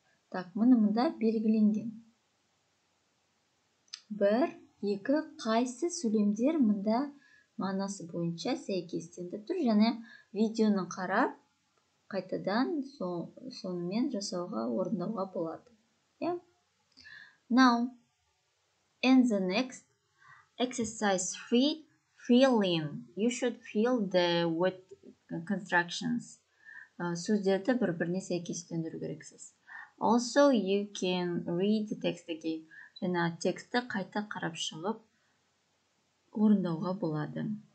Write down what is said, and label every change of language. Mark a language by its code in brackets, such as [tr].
[kk] Так, мында белгіленген. 1, 2, қайсы сөйлемдер мында манасы бойынша сәйкестендіп тұр. Және видеоны қарап, қайтадан сонымен жасауға, орындауға болады. [en] Yeah? Now, in the next exercise 3, fill in. You should fill the word constructions. [kk] Сөздерді бір-біріне сәйкестендіру керексіз. [en] Also, you can read the text again. [kk] Жена тексті қайта қарап шығып, орындауға болады.